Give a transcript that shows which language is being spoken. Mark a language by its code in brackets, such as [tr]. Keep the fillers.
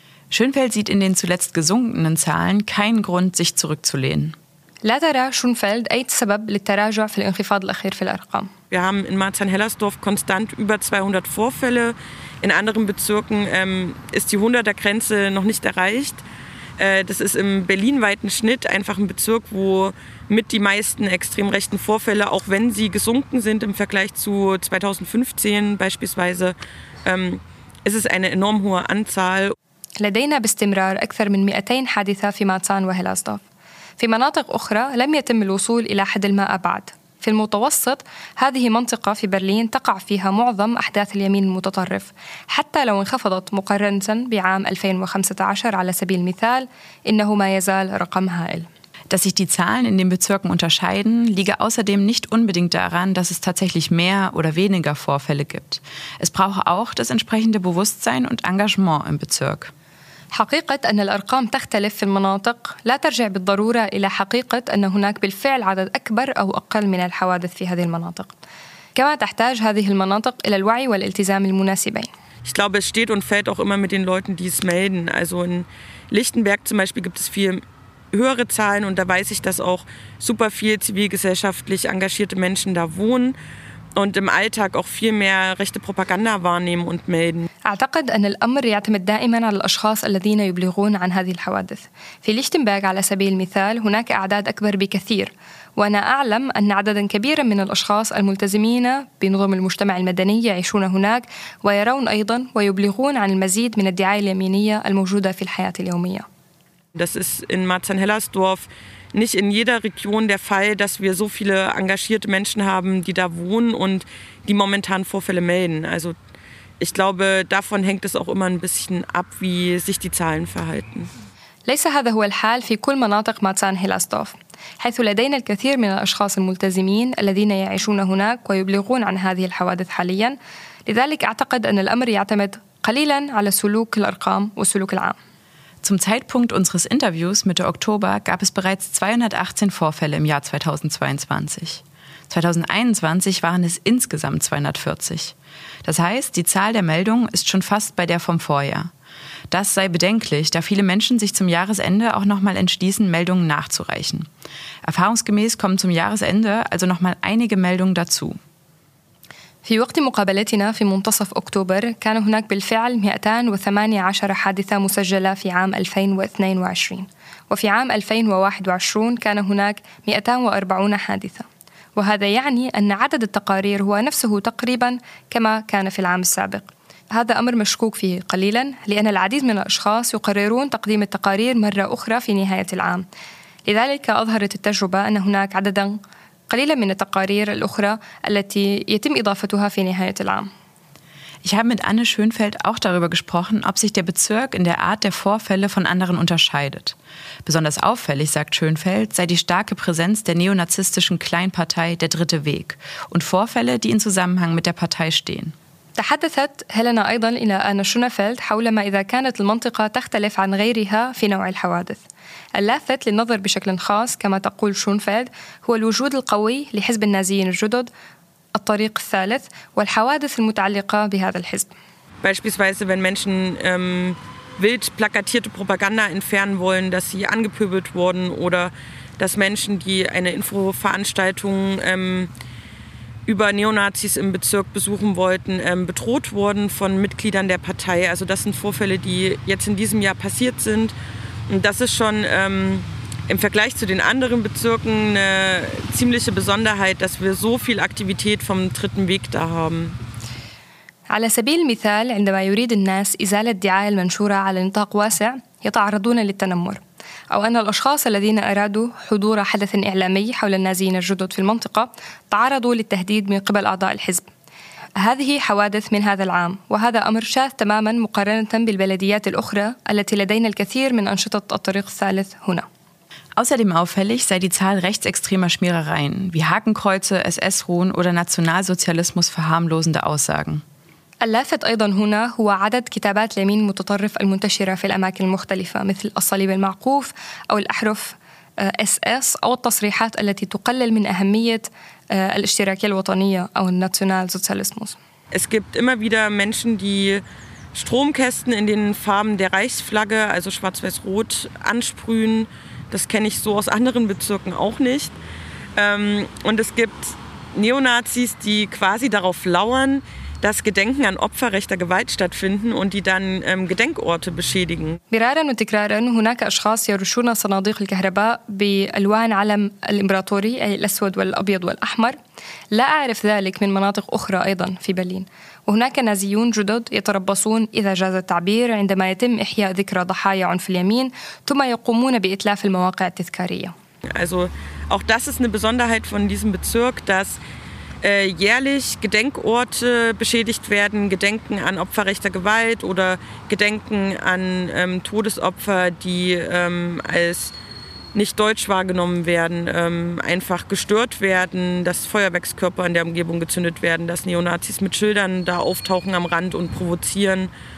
[de] Schönfeld sieht in den zuletzt gesunkenen Zahlen keinen Grund, sich zurückzulehnen. [ar] لا ترى شونفيلد أي سبب للتراجع في الانخفاض الأخير في الأرقام [de] Wir haben in Marzahn-Hellersdorf konstant über 200 Vorfälle. In anderen Bezirken ähm, ist die 100er-Grenze noch nicht erreicht. Äh, das ist im berlinweiten Schnitt einfach ein Bezirk, wo mit die meisten extrem rechten Vorfälle, auch wenn sie gesunken sind im Vergleich zu 2015 beispielsweise, ähm, ist es eine enorm hohe Anzahl. [ar] لدينا باستمرار أكثر من 200 حادثة في ماتسان وهيلاسدورف في مناطق أخرى لم يتم الوصول إلى حد ما أبعد في المتوسط هذه منطقة في برلين تقع فيها معظم أحداث اليمين المتطرف حتى لو انخفضت مقارنة بعام 2015 على سبيل المثال إنه ما يزال رقم هائل [de] Dass sich die Zahlen in den Bezirken unterscheiden, liege außerdem nicht unbedingt daran, dass es tatsächlich mehr oder weniger Vorfälle gibt. Es brauche auch das entsprechende Bewusstsein und Engagement im Bezirk. [ar] حقيقة أن الأرقام تختلف في المناطق لا ترجع بالضرورة إلى حقيقة أن هناك بالفعل عدد أكبر أو أقل من الحوادث في هذه المناطق. كما تحتاج هذه المناطق إلى الوعي والالتزام المناسبين. [de] Ich glaube, es steht und fällt auch immer mit den Leuten, die es melden. Also in Lichtenberg zum Beispiel gibt es viel höhere Zahlen und da weiß ich, dass auch super viel zivilgesellschaftlich engagierte Menschen da wohnen und im Alltag auch viel mehr rechte Propaganda wahrnehmen und melden. [ar] أعتقد أن الأمر يعتمد دائما على الأشخاص الذين يبلغون عن هذه الحوادث. في ليشتنبرغ على سبيل المثال هناك أعداد أكبر بكثير، وأنا أعلم أن عددا كبيرا من الأشخاص الملتزمين بنظم المجتمع المدني يعيشون هناك ويرون أيضا ويبلغون عن المزيد من الدعاية اليمينية الموجودة في الحياة اليومية. [de] Das ist in Marzahn-Hellersdorf nicht in jeder Region der Fall, dass wir so viele engagierte Menschen haben, die da wohnen und die momentan Vorfälle melden. Also ich glaube, davon hängt es auch immer ein bisschen ab, wie sich die Zahlen verhalten. [ar] ليس هذا هو الحال في كل مناطق ماتسان هيلاستوف حيث لدينا الكثير من الأشخاص الملتزمين الذين يعيشون هناك ويبلغون عن هذه الحوادث حاليا لذلك أعتقد أن الأمر يعتمد قليلا على سلوك الأرقام والسلوك العام [de] Zum Zeitpunkt unseres Interviews Mitte Oktober gab es bereits 218 Vorfälle im Jahr 2022. 2021 waren es insgesamt 240. Das heißt, die Zahl der Meldungen ist schon fast bei der vom Vorjahr. Das sei bedenklich, da viele Menschen sich zum Jahresende auch nochmal entschließen, Meldungen nachzureichen. Erfahrungsgemäß kommen zum Jahresende also nochmal einige Meldungen dazu. [ar] في وقت مقابلتنا في منتصف أكتوبر كان هناك بالفعل 218 حادثة مسجلة في عام 2022 وفي عام 2021 كان هناك 240 حادثة وهذا يعني أن عدد التقارير هو نفسه تقريبا كما كان في العام السابق هذا أمر مشكوك فيه قليلا لأن العديد من الأشخاص يقررون تقديم التقارير مرة أخرى في نهاية العام لذلك أظهرت التجربة أن هناك عددا قليلا من التقارير الأخرى التي يتم إضافتها في نهاية العام [de] Ich habe mit Anne Schönfeld auch darüber gesprochen, ob sich der Bezirk in der Art der Vorfälle von anderen unterscheidet. Besonders auffällig, sagt Schönfeld, sei die starke Präsenz der neonazistischen Kleinpartei Der Dritte Weg und Vorfälle, die in Zusammenhang mit der Partei stehen. [ar] تحدثت هيلينا أيضا إلى آن شونفيلد حول ما إذا كانت المنطقة تختلف عن غيرها في نوع الحوادث اللافت للنظر بشكل خاص كما تقول شونفيلد هو الوجود القوي لحزب النازيين الجدد الطريق الثالث والحوادث المتعلقة بهذا الحزب [de] Beispielsweise, wenn Menschen ähm, wild plakatierte Propaganda entfernen wollen, dass sie angepöbelt wurden oder dass Menschen, die eine Infoveranstaltung ähm, über Neonazis im Bezirk besuchen wollten, ähm, bedroht wurden von Mitgliedern der Partei. Also das sind Vorfälle, die jetzt in diesem Jahr passiert sind. Und das ist schon ähm, im Vergleich zu den anderen Bezirken eine ziemliche Besonderheit, dass wir so viel Aktivität vom dritten Weg da haben. [ar] على سبيل المثال عندما يريد الناس إزالة الدعاية المنشورة على نطاق واسع يتعرضون للتنمر أو أن الأشخاص الذين أرادوا حضور حدث إعلامي حول النازيين الجدد في المنطقة تعرضوا للتهديد من قبل أعضاء الحزب هذه حوادث من هذا العام وهذا أمر شاذ تماما مقارنة بالبلديات الأخرى التي لدينا الكثير من أنشطة الطريق الثالث هنا [de] Außerdem auffällig sei die Zahl rechtsextremer Schmierereien wie Hakenkreuze, SS-Ruhen oder Nationalsozialismus verharmlosende Aussagen. [ar] اللافت أيضا هنا هو عدد كتابات اليمين المتطرف المنتشرة في الأماكن المختلفة مثل الصليب المعقوف أو الأحرف اس اس أو التصريحات التي تقلل من أهمية آه، الاشتراكية الوطنية أو الناسيونال سوسياليسموس [de] Es gibt immer wieder Menschen, die Stromkästen in den Farben der Reichsflagge, also schwarz-weiß-rot, ansprühen. Das kenne ich so aus anderen Bezirken auch nicht. Ähm, und es gibt Neonazis, die quasi darauf lauern, dass Gedenken an Opfer rechter Gewalt stattfinden und die dann ähm, Gedenkorte beschädigen. [ar] مرارا وتكرارا هناك أشخاص يرشون صناديق الكهرباء بألوان علم الإمبراطوري أي الأسود والأبيض والأحمر لا أعرف ذلك من مناطق أخرى أيضا في برلين وهناك نازيون جدد يتربصون إذا جاز التعبير عندما يتم إحياء ذكرى ضحايا عنف اليمين ثم يقومون بإتلاف المواقع التذكارية [de] Also auch das ist eine Besonderheit von diesem Bezirk, dass äh, jährlich Gedenkorte beschädigt werden, Gedenken an Opfer rechter Gewalt oder Gedenken an ähm, Todesopfer, die ähm, als nicht deutsch wahrgenommen werden, ähm, einfach gestört werden, dass Feuerwerkskörper in der Umgebung gezündet werden, dass Neonazis mit Schildern da auftauchen am Rand und provozieren.